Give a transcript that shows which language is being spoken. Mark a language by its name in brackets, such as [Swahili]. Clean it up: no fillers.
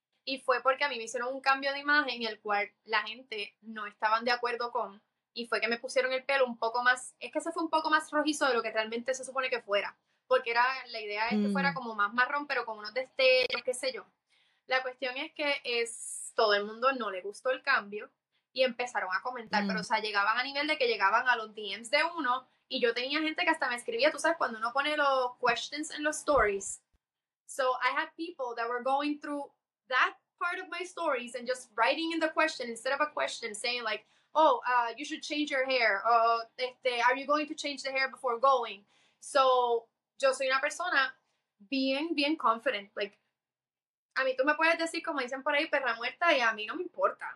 [Spanish] y fue porque a mí me hicieron un cambio de imagen el cual la gente no estaban de acuerdo con, y fue que me pusieron el pelo un poco más, es que se fue un poco más rojizo de lo que realmente se supone que fuera, porque era, la idea es que fuera como más marrón, pero con unos destellos, qué sé yo. La cuestión es que es, todo el mundo no le gustó el cambio y empezaron a comentar, pero o sea, llegaban a nivel de que llegaban a los DMs de uno, y yo tenía gente que hasta me escribía, tú sabes, cuando uno pone los questions en los stories. [English] So I had people that were going through that part of my stories and just writing in the question instead of a question, saying like, oh, you should change your hair. Are you going to change the hair before going? [Spanish] So yo soy una persona bien, bien confident. Like, a mí tú me puedes decir, como dicen por ahí, perra muerta, y a mí no me importa.